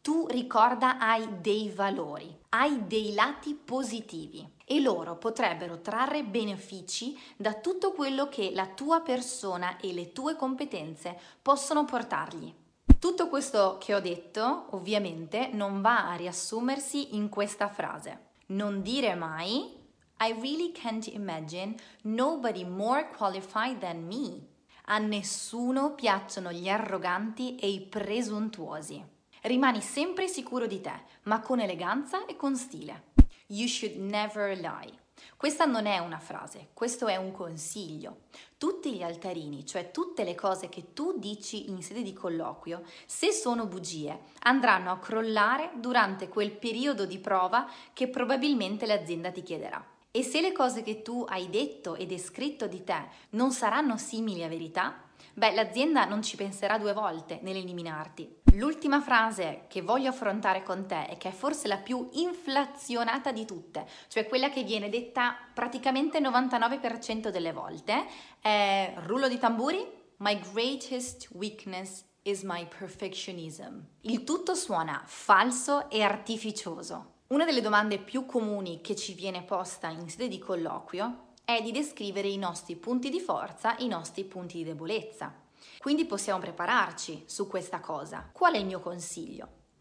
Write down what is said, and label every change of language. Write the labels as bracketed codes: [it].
[it] Tu, ricorda, hai dei valori, hai dei lati positivi e loro potrebbero trarre benefici da tutto quello che la tua persona e le tue competenze possono portargli. Tutto questo che ho detto, ovviamente, non va a riassumersi in questa frase. Non dire mai, [en] I really can't imagine nobody more qualified than me. [it] A nessuno piacciono gli arroganti e i presuntuosi. Rimani sempre sicuro di te, ma con eleganza e con stile. [en] You should never lie. [it] Questa non è una frase, questo è un consiglio. Tutti gli altarini, cioè tutte le cose che tu dici in sede di colloquio, se sono bugie, andranno a crollare durante quel periodo di prova che probabilmente l'azienda ti chiederà. E se le cose che tu hai detto e descritto di te non saranno simili a verità, beh, l'azienda non ci penserà due volte nell'eliminarti. L'ultima frase che voglio affrontare con te e che è forse la più inflazionata di tutte, cioè quella che viene detta praticamente 99% delle volte, è rullo di tamburi. [en] My greatest weakness is my perfectionism. [it] Il tutto suona falso e artificioso. Una delle domande più comuni che ci viene posta in sede di colloquio è di descrivere i nostri punti di forza e i nostri punti di debolezza. Quindi possiamo prepararci su questa cosa. Qual è il mio consiglio?